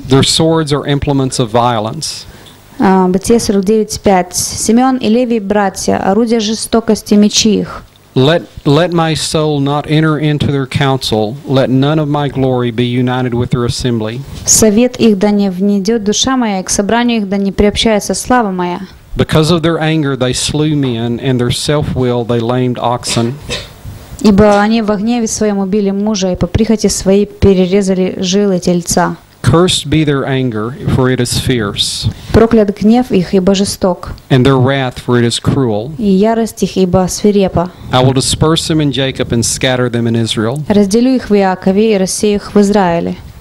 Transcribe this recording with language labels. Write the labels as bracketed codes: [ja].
[en] Their swords are implements of violence. [ru] Бытие 49:5. Симеон и Леви братья, орудия жестокости мечи их. [en] Let my soul not enter into their council. Let none of my glory be united with their assembly. [ru] Совет их да не внедет душа моя, к собранию их да не приобщается слава моя. [en] Because of their anger they slew men, and their self-will they lamed oxen. [ru] Ибо они во гневе своем убили мужа, и по прихоти своей перерезали жилы тельца. [en] Cursed be their anger, for it is fierce. [ru] Проклят гнев их, ибо жесток. [en] And their wrath, for it is cruel. [ru] И ярость их, ибо свирепа. [en] I will disperse them in Jacob and scatter them in Israel. [ru] Разделю их в Иакове и рассею их в Израиле.